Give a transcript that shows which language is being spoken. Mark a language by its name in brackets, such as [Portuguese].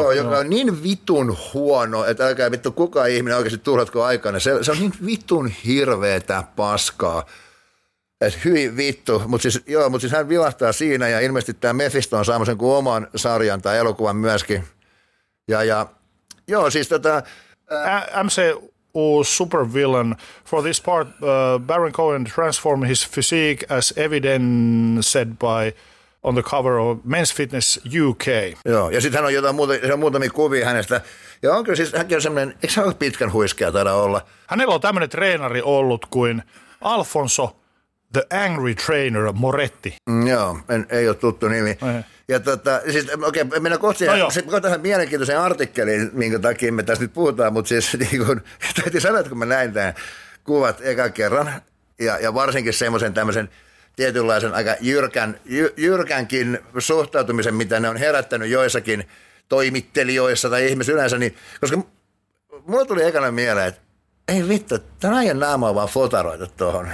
[Finnish] Joo, joka on niin vitun huono, että älkää vittu kukaan ihminen oikeasti tuhlatko aikana. Se on niin vitun hirveetä paskaa. Että hyi vittu, mutta siis joo, mutta siis hän vilahtaa siinä ja ilmeisesti tämä Mephisto on saamassa kuin oman sarjan tai elokuvan myöskin. Ja joo, siis [English] MCU supervillain for this part Baron Cohen transformed his physique as evidenced by on the cover of Men's Fitness UK. [Finnish] Joo, ja sitten hän on jotain muutamia kuvia hänestä. Ja on kyllä siis, hänkin on semmoinen, eikö hän ole pitkän huiskea taida olla? Hänellä on tämmöinen treenari ollut kuin Alfonso the Angry Trainer Moretti. Joo, ei ole tuttu nimi. Ja siis okei, mennään kohti tähän mielenkiintoiseen artikkeliin, minkä takia me tässä nyt puhutaan, mutta siis niin kun, täytyy sanoa, että kun mä näin tämän kuvat eka kerran, ja varsinkin semmoisen tämmöisen tietynlaisen aika jyrkänkin suhtautumisen, mitä ne on herättänyt joissakin toimittelijoissa tai ihmisissä yleensä, niin koska mulla tuli ekana mieleen, että ei vittu, tämän ajan naama on vaan fotaroitu tuohon.